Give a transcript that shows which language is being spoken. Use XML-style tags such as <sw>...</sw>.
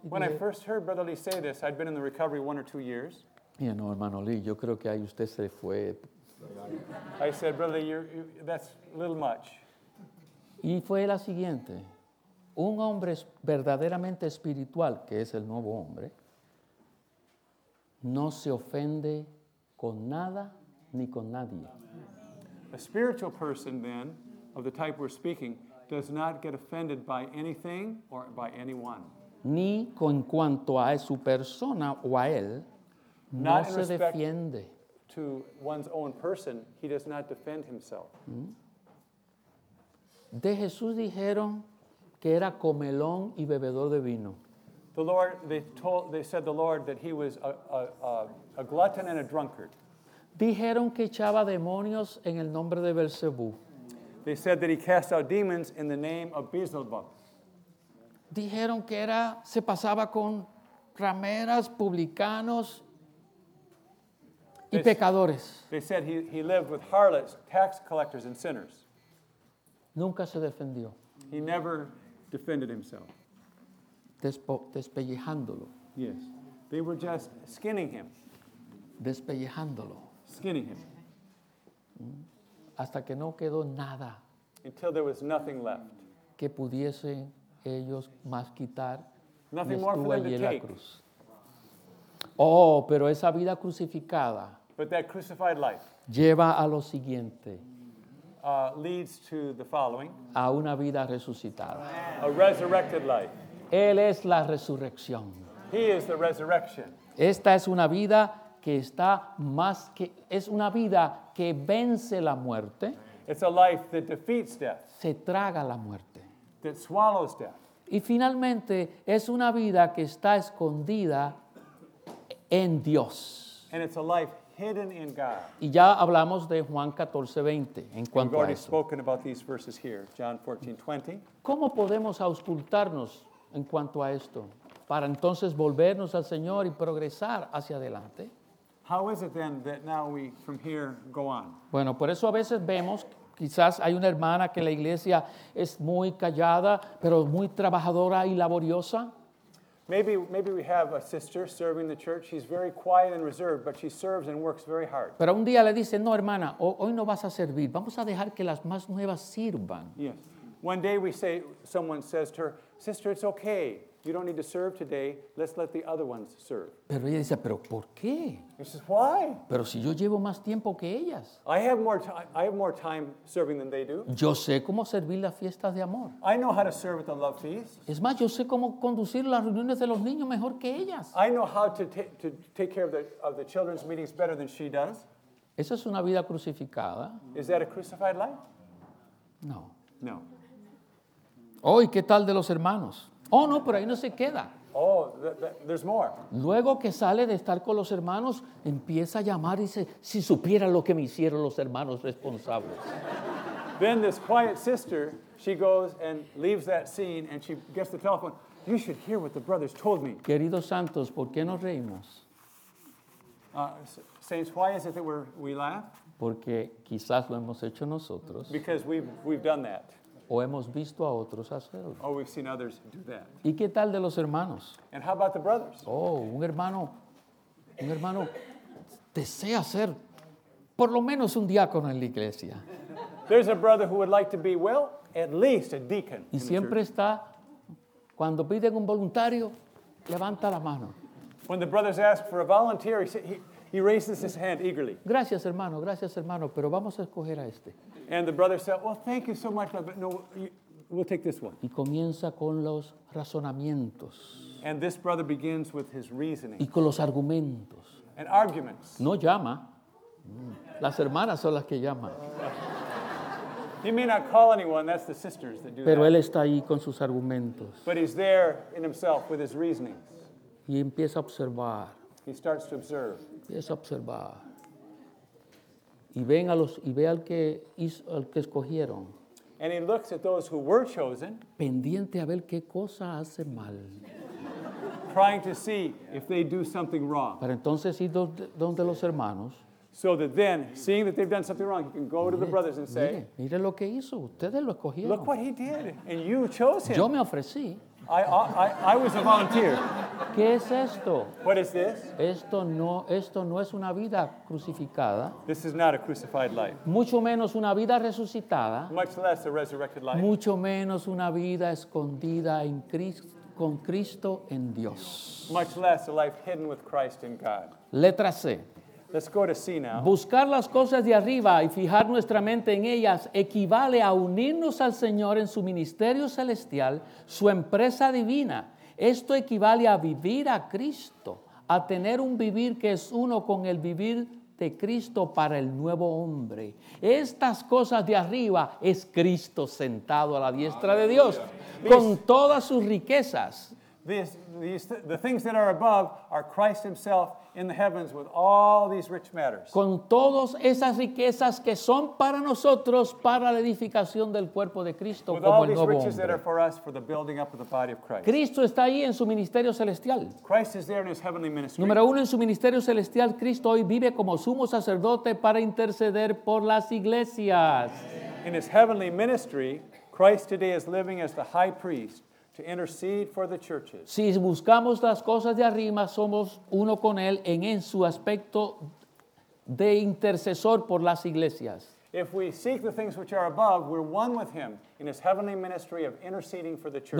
<en>When I first heard Brother Lee say this, I'd been in the recovery one or two years.</en> <es>Y no, hermano Lee, yo creo que ahí usted se fue.</es> <en>I said, Brother Lee, that's a little much.</en> <es>Y fue la siguiente. Un hombre verdaderamente espiritual, que es el nuevo hombre, no se ofende con nada ni con nadie.</es> <en>A spiritual person, then, of the type we're speaking, does not get offended by anything or by anyone.</en> <es>Ni con cuanto a su persona o a él,</es> <en>not</en> <es>no se defiende.</es> <en>To one's own person, he does not defend himself.</en> <es>De Jesús dijeron que era comelón y bebedor de vino.</es> <en>The Lord, they said the Lord that he was a glutton and a drunkard.</en> <es>Dijeron que echaba demonios en el nombre de Belzebú.</es> <en>They said that he cast out demons in the name of Beelzebub.</en> <es>Dijeron que era, se pasaba con rameras, publicanos y pecadores.</es> <en>They said he lived with harlots, tax collectors, and sinners.</en> <es>Nunca se defendió.</es> <en>He never defended himself.</en> <es>Despellejándolo.</es> <en>Yes. They were just skinning him.</en> <es>Despellejándolo.</es> <en>Skinning him.</en> <es>Hasta que no quedó nada.</es> <en>Until there was nothing left.</en> <es>Que pudiesen ellos más quitar.</es> <en>Nothing more for them to take.</en> <es>Oh, pero esa vida crucificada.</es> <en>But that crucified life.</en> <es>Lleva a lo siguiente.</es> <en>Leads to the following.</en> <es>A una vida resucitada.</es> <en>A resurrected life.</en> <es>Él es la resurrección.</es> <en>He is the resurrection.</en> <es>Esta es una vida que está más que, es una vida que vence la muerte.</es> <en>It's a life that defeats death.</en> <es>Se traga la muerte.</es> <en>That swallows death.</en> <es>Y finalmente, es una vida que está escondida en Dios.</es> <en>And it's a life hidden in God.</en> <es>Y ya hablamos de Juan 14:20 en cuanto a eso.</es> <en>We've already spoken about these verses here, John 14:20.</en> <es>¿Cómo podemos auscultarnos en cuanto a esto, para entonces volvernos al Señor y progresar hacia adelante?</es> <en>How is it then that now we from here go on?</en> <es>Bueno, por eso a veces vemos, quizás hay una hermana que en la iglesia es muy callada, pero muy trabajadora y laboriosa.</es> <en>Maybe we have a sister serving the church. She's very quiet and reserved, but she serves and works very hard.</en> <es>Pero un día le dicen, no, hermana, hoy no vas a servir. Vamos a dejar que las más nuevas sirvan.</es> <en>Yes. One day someone says to her, sister, it's okay. You don't need to serve today. Let's let the other ones serve.</en> <es>Pero ella dice, ¿pero por qué?</es> <en>She says, why?</en> <es>Pero si yo llevo más tiempo que ellas.</es> <en>I have more time serving than they do.</en> <es>Yo sé cómo servir las fiestas de amor.</es> <en>I know how to serve at the love feast.</en> <es>Es más, yo sé cómo conducir las reuniones de los niños mejor que ellas.</es> <en>I know how to take care of the children's meetings better than she does.</en> <es>¿Esa es una vida crucificada?</es> <en>Is that a crucified life?</en> <es>No.</es> <en>No.</en> <es>Oh, ¿y qué tal de los hermanos? Oh, no, pero ahí no se queda.</es> <en>Oh, there's more.</en> <es>Luego que sale de estar con los hermanos, empieza a llamar y dice, si supiera lo que me hicieron los hermanos responsables.</es> <en>Then this quiet sister, she goes and leaves that scene and she gets the telephone. You should hear what the brothers told me.</en> <es>Queridos santos, ¿por qué nos reímos?</es> <en>Saints, why is it that we laugh?</en> <es>Porque quizás lo hemos hecho nosotros.</es> <en>Because we've done that.</en> <es>O hemos visto a otros hacerlo.</es> <en>Oh, we've seen others do that.</en> <es>¿Y qué tal de los hermanos?</es> <en>And how about the brothers?</en> <es>Oh, un hermano desea ser por lo menos un diácono en la iglesia.</es> <en>There's a brother who would like to be, well, at least a deacon.</en> <es>Y siempre está, cuando piden un voluntario, levanta la mano.</es> <en>When the brothers ask for a volunteer, he raises his hand eagerly.</en> <es>Gracias, hermano, pero vamos a escoger a este.</es> <en>And the brother said, well, thank you so much, but no, we'll take this one.</en> <es>Y comienza con los razonamientos.</es> <en>And this brother begins with his reasoning.</en> <es>Y con los argumentos.</es> <en>And arguments.</en> <es>No llama. Las hermanas son las que llaman.</es> <en>He may not call anyone, that's the sisters that do</en> <es>pero</es> <en>that.</en> <es>Él está ahí con sus argumentos.</es> <en>But he's there in himself with his reasonings.</en> <es>Y empieza a observar.</es> <en>He starts to observe.</en> <es>Empieza a observar. Y ve al que escogieron.</es> <en>And he looks at those who were chosen.</en> <es>Pendiente a ver qué cosa hace mal.</es> <en>Trying to see if they do something wrong.</en> <es>Para entonces ir donde los hermanos.</es> <en>So that then, seeing that they've done something wrong, you can go to the brothers and say,</en> <es>mire lo que hizo. Ustedes lo escogieron.</es> <en>Look what he did, and you chose him.</en> <es>Yo me ofrecí.</es> <en>I was a volunteer.</en> <es>¿Qué es esto?</es> <en>What is this?</en> <es>Esto no es una vida crucificada.</es> <en>This is not a crucified life.</en> <es>Mucho menos una vida resucitada.</es> <en>Much less a resurrected life.</en> <es>Mucho menos una vida escondida en Cristo, con Cristo en Dios.</es> <en>Much less a life hidden with Christ in God.</en> <es>Letra C.</es> <en>Let's go to C now.</en> <es>Buscar las cosas de arriba y fijar nuestra mente en ellas equivale a unirnos al Señor en su ministerio celestial, su empresa divina. Esto equivale a vivir a Cristo, a tener un vivir que es uno con el vivir de Cristo para el nuevo hombre. Estas cosas de arriba es Cristo sentado a la diestra de Dios con todas sus riquezas.</es> <en>The things that are above are Christ himself in the heavens with all these rich matters.</en> <es>Con todas esas riquezas que son para nosotros para la edificación del cuerpo de Cristo</es> <en>with</en> <es>como el nuevo</es> <en>hombre. With all these riches that are for us for the building up of the body of Christ.</en> <es>Cristo está ahí en su ministerio celestial.</es> <en>Christ is there in his heavenly ministry.</en> <es>Número uno, en su ministerio celestial, Cristo hoy vive como sumo sacerdote para interceder por las iglesias.</es> <en>In his heavenly ministry, Christ today is living as the high priest to intercede for the churches.</en> <es>Si buscamos las cosas de arriba, somos uno con él en su aspecto de intercesor por las iglesias.</es> <en>If we seek the things which are above, we're one with him in his heavenly ministry of interceding for the churches.</en>